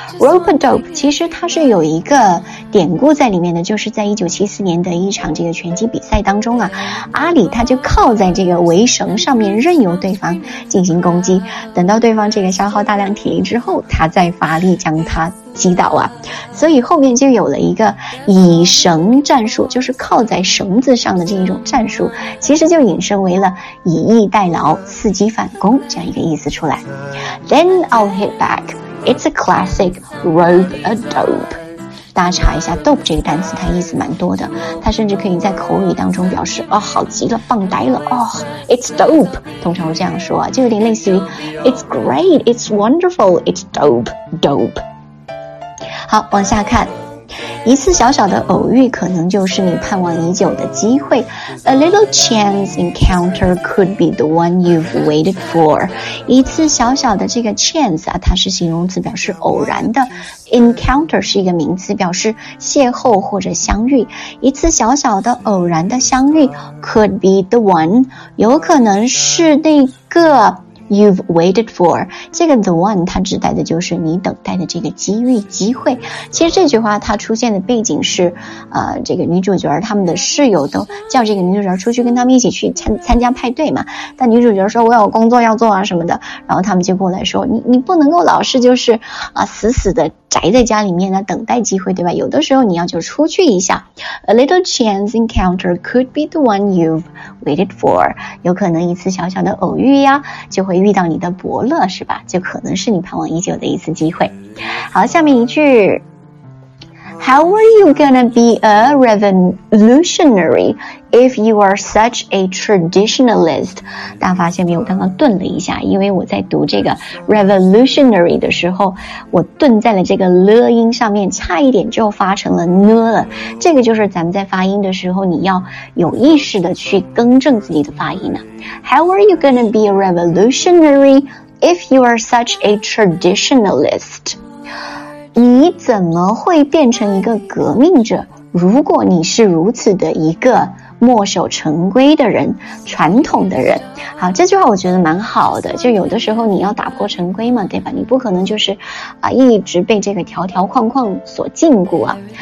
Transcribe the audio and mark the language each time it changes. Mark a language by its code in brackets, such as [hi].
[zh] Rope-a-dope 其实它是有一个典故在里面的，就是在1974年的一场这个拳击比赛当中啊，阿里他就靠在这个围绳上面任由对方进行攻击，等到对方这个消耗大量体力之后，他再发力将他击倒啊。所以后面就有了一个以绳战术，就是靠在绳子上的这一种战术，其实就引申为了以逸待劳、伺机反攻这样一个意思出来。 [en] Then I'll hit back, it's a classic rope-a-dope。 [zh] 大家查一下 dope 这个单词，它意思蛮多的，它甚至可以在口语当中表示哦，好极了，棒呆了，哦 it's dope, 通常会这样说啊，就有点类似于 it's great, it's wonderful, it's dope, dope。好，往下看，一次小小的偶遇可能就是你盼望已久的机会。 [en] A little chance encounter could be the one you've waited for. [zh] 一次小小的这个 chance 啊，它是形容词表示偶然的， encounter 是一个名词表示邂逅或者相遇。一次小小的偶然的相遇 could be the one, 有可能是那个 You've waited for, 这个 the one 它指代的就是你等待的这个机遇机会。其实这句话它出现的背景是这个女主角他们的室友都叫这个女主角出去跟他们一起去参加派对嘛，但女主角说我有工作要做啊什么的，然后他们就过来说你不能够老是就是死死的宅在家里面呢，等待机会，对吧？有的时候你要就出去一下。 [en] A little chance encounter could be the one you've waited for, [zh] 有可能一次小小的偶遇呀就会遇到你的伯乐，是吧？就可能是你盼望已久的一次机会。好，下面一句， [en] How are you gonna be a revolutionary if you are such a traditionalist? [zh] 大家发现没有，我刚刚顿了一下，因为我在读这个 revolutionary 的时候，我顿在了这个了音上面，差一点就发成了呢了。这个就是咱们在发音的时候你要有意识的去更正自己的发音呢。 [en] How are you gonna be a revolutionary if you are such a traditionalist? [zh] 你怎么会变成一个革命者，如果你是如此的一个墨守成规的人，传统的人。好，这句话我觉得蛮好的，就有的时候你要打破成规嘛，对吧？你不可能就是一直被这个条条框框所禁锢啊。